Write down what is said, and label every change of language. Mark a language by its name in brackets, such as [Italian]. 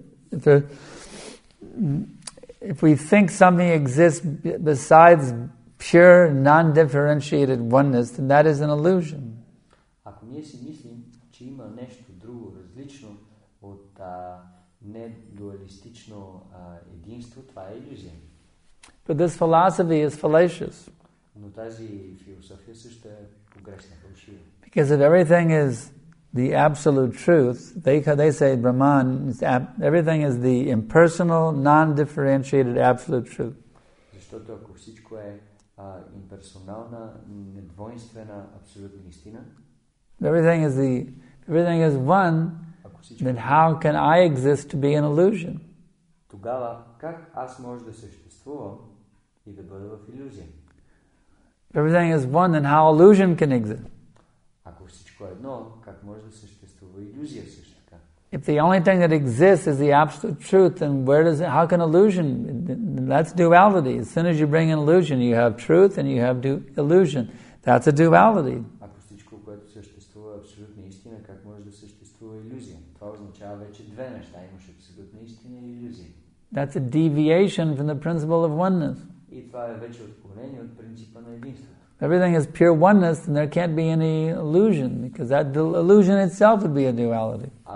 [English] If we think something exists besides pure, non-differentiated oneness, then that is an illusion. [Bulgarian] Ако ние си мислим, че има нещо друго различно от недуалистично единство, това е иллюзия. [English] But this philosophy is fallacious. [Bulgarian] Но тази философия също е погрешна, фалшива. [English] Because if everything is the absolute truth, they say Brahman, everything is the impersonal, non-differentiated absolute truth. [Bulgarian] Защото ако всичко е имперсонална, недвойнствена, абсолютна истина, [English] everything is one, then how can I exist to be an illusion? [Bulgarian] Тогава как аз може да съществувам и да бъда в иллюзия? [English] Everything is one, then how illusion can exist? [Bulgarian] Ако всичко е едно, как може да съществува иллюзия също така? [English] If the only thing that exists is the absolute truth, then how can illusion? That's duality. As soon as you bring an illusion, you have truth and you have illusion. That's a duality. [Bulgarian] Ако всичко, което съществува абсолютна истина, как може да съществува иллюзия? Това означава вече две неща. Имаш абсолютна истина и иллюзия. [English] That's a deviation from the principle of oneness. [Bulgarian] И това е вече отклонение от принципа на единството. [English] everything is pure oneness, then there can't be any illusion, because that illusion itself would be a duality.